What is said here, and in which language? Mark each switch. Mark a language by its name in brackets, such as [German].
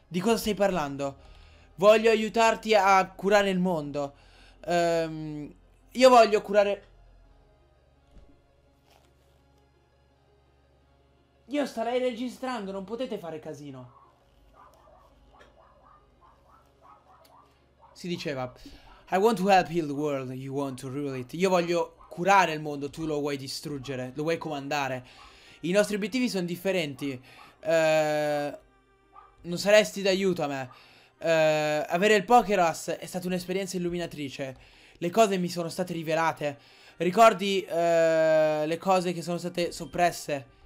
[Italian] Di cosa stai parlando? Voglio aiutarti a curare il mondo. Io voglio curare... Io starei registrando, non potete fare casino. Si diceva... [English] I want to help heal the world, you want to rule it. [Italian] Io voglio curare il mondo, tu lo vuoi distruggere, lo vuoi comandare. I nostri obiettivi sono differenti. Non saresti d'aiuto a me. Avere il Pokéross è stata un'esperienza illuminatrice. Le cose mi sono state rivelate. Ricordi le cose che sono state soppresse?